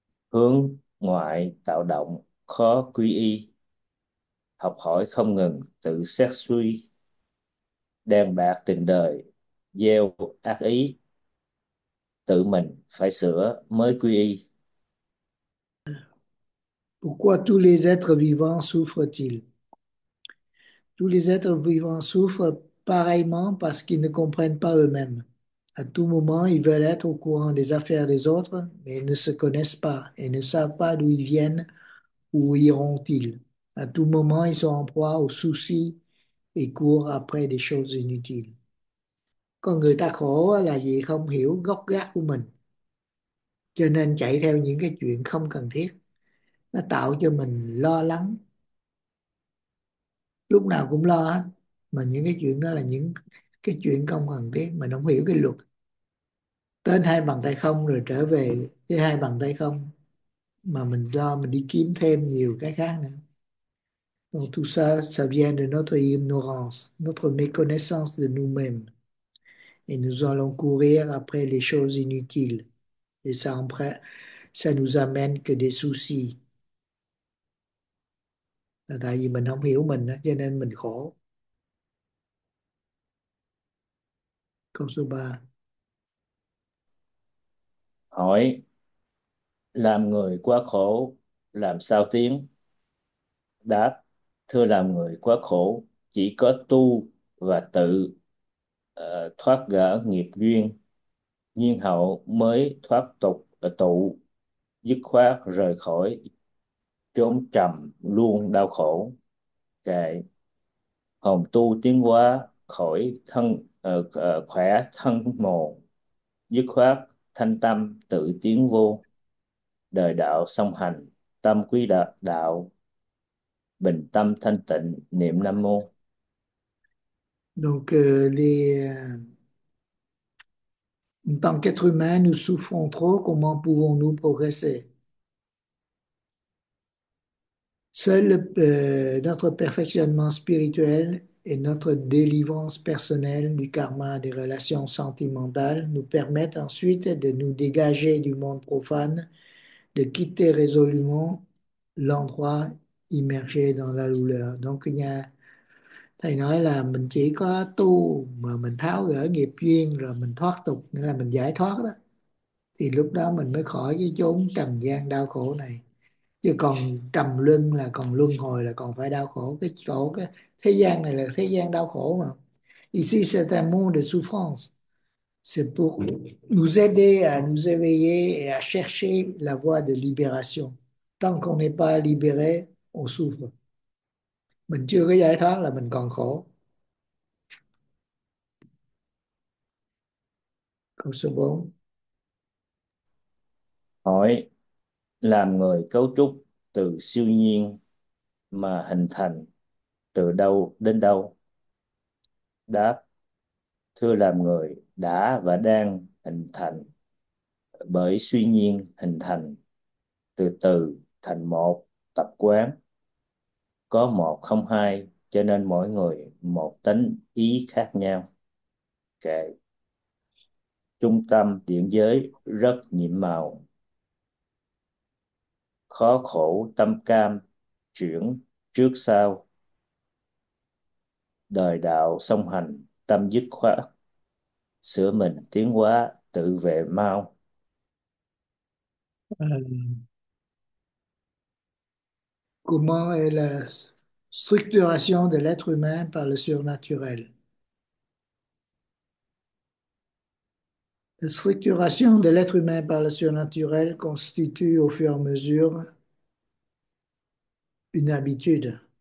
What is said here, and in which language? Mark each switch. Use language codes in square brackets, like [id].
[vi] hướng ngoại tạo động khó quy y, học hỏi không ngừng tự xét suy, đem bạc tình đời gieo ác ý, tự mình phải sửa mới quy y. [fr] Pourquoi tous les êtres vivants souffrent-ils? Tous les êtres vivants souffrent pareillement parce qu'ils ne comprennent pas eux-mêmes. À tout moment, ils veulent être au courant des affaires des autres, mais ils ne se connaissent pas et ne savent pas d'où ils viennent ou où iront-ils. À tout moment, ils sont en proie aux soucis et courent après des choses inutiles. [vi] Con người ta khổ là vì không hiểu gốc gác của mình, cho nên chạy theo những cái chuyện không cần thiết. nó tạo cho mình lo lắng, lúc nào cũng lo hết. Mà những cái chuyện đó là những cái chuyện không cần thiết, mình không hiểu cái luật tên hai bàn tay không rồi trở về với hai bàn tay không, mà mình lo mình đi kiếm thêm nhiều cái khác nữa. [fr] Donc tout ça, ça vient de notre ignorance, notre méconnaissance de nous-mêmes. Et nous allons courir après les choses inutiles. Et ça nous amène que des soucis. [vi] Là tại vì mình không hiểu mình, cho nên mình khổ. Câu số 3. Hỏi: làm người quá khổ làm sao tiến? Đáp: thưa, làm người quá khổ chỉ có tu và tự thoát gỡ nghiệp duyên, nhiên hậu mới thoát tục tụ, dứt khoát rời khỏi chốn trầm luôn đau khổ. Kệ: hồng tu tiến hóa khỏi thân khỏe thân mồ, dứt khoát thanh tâm tự tiến vô. Đời đạo song hành, tâm quý đạo, bình tâm thanh tịnh niệm Nam Mô. [fr] Donc, en tant qu'être humain, nous souffrons trop. Comment pouvons-nous progresser? Seul notre perfectionnement spirituel et notre délivrance personnelle du karma des relations sentimentales nous permettent ensuite de nous dégager du monde profane, de quitter résolument l'endroit immergé dans la douleur. Donc, il y a [vi] Thầy nói là mình chỉ có tu mà mình tháo gỡ nghiệp duyên rồi mình thoát tục, nghĩa là mình giải thoát đó, thì lúc đó mình mới khỏi cái chốn trần gian đau khổ này. Chứ còn trầm luân là còn luân hồi, là còn phải đau khổ. Cái chỗ cái thế gian này là thế gian đau khổ mà. [fr] Ici c'est un monde de souffrance. C'est pour nous aider à nous éveiller et à chercher la voie de libération. Tant qu'on n'est pas libéré, on souffre. [vi] Mình chưa có giải thoát là mình còn khổ. Câu số 4. Hỏi: làm người cấu trúc từ siêu nhiên mà hình thành từ đâu đến đâu? Đáp: thưa, làm người đã và đang hình thành bởi suy nhiên hình thành, từ từ thành một tập quán, có một không hai, cho nên mỗi người một tánh ý khác nhau. Kệ: trung tâm điển giới rất nhiệm màu, khó khổ tâm cam chuyển trước sau, đời đạo song hành tâm dứt khoát, sửa mình tiến hóa tự về mau. [fr] Comment est la structuration de l'être humain par le surnaturel? La structuration de l'être humain par le surnaturel constitue au fur et à mesure une habitude.